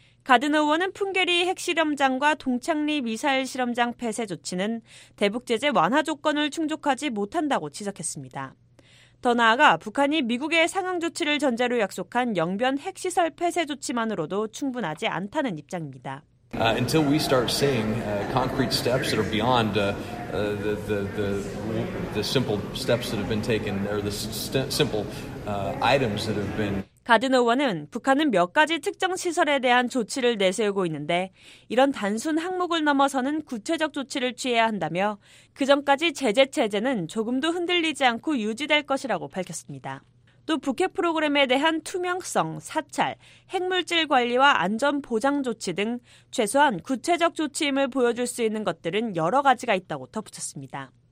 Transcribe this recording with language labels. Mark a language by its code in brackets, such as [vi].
[ko] 가드너 의원은 풍계리 핵실험장과 동창리 미사일 실험장 폐쇄 조치는 대북 제재 완화 조건을 충족하지 못한다고 지적했습니다. 더 나아가 북한이 미국의 상응 조치를 전제로 약속한 영변 핵시설 폐쇄 조치만으로도 충분하지 않다는 입장입니다. [en] Until we start seeing concrete steps that are beyond the simple steps that have been taken or the simple items that have been [ko] 가든 의원은 북한은 몇 가지 특정 시설에 대한 조치를 내세우고 있는데 이런 단순 항목을 넘어서는 구체적 조치를 취해야 한다며 그 전까지 제재 체제는 조금도 흔들리지 않고 유지될 것이라고 밝혔습니다. 또 북핵 프로그램에 대한 투명성, 사찰, 핵물질 관리와 안전 보장 조치 등 최소한 구체적 조치임을 보여줄 수 있는 것들은 여러 가지가 있다고 덧붙였습니다.